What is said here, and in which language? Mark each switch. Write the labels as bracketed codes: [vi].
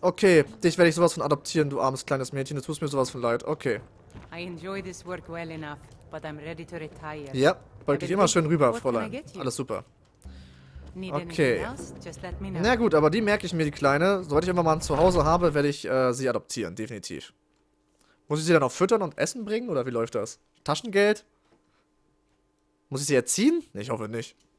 [de] Okay, dich werde ich sowas von adoptieren, du armes kleines Mädchen. Du tust mir sowas von leid. Okay. [en] I enjoy this work well enough, but I'm ready to retire. [de] Ja, beug dich immer schön rüber, Fräulein. Alles super. Okay. Na gut, aber die merke ich mir, die Kleine. Sobald ich immer mal ein Zuhause habe, werde ich sie adoptieren, definitiv. Muss ich sie dann auch füttern und Essen bringen, oder wie läuft das? Taschengeld? Muss ich sie erziehen? Nee, ich hoffe nicht.